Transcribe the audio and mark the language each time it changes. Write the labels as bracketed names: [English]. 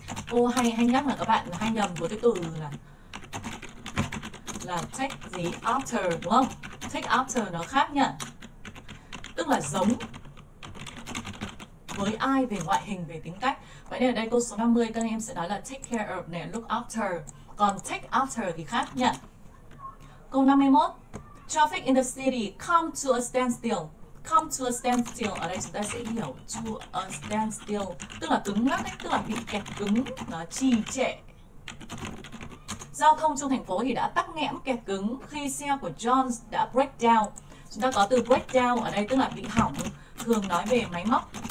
[Vietnamese] Cô hay nhắc là các bạn hay nhầm với cái từ là take gì after, đúng không? [English] Take after [Vietnamese] nó khác nhỉ? Tức là giống với ai về ngoại hình, về tính cách. Vậy nên ở đây câu số 50 các em sẽ nói là [English] take care of [Vietnamese] này, [English] look after. [Vietnamese] Còn [English] take after [Vietnamese] thì khác nhỉ? Câu 51. [English] Traffic in the city come to a standstill. Come to a standstill [Vietnamese] ở đây chúng ta sẽ hiểu to a standstill tức là cứng ngắc ấy, tức là bị kẹt cứng, nó trì trệ. Giao thông trong thành phố thì đã tắc nghẽn, kẹt cứng khi xe của John đã [English] break down. [Vietnamese] Chúng ta có từ [English] break down [Vietnamese] ở đây tức là bị hỏng, thường nói về máy móc.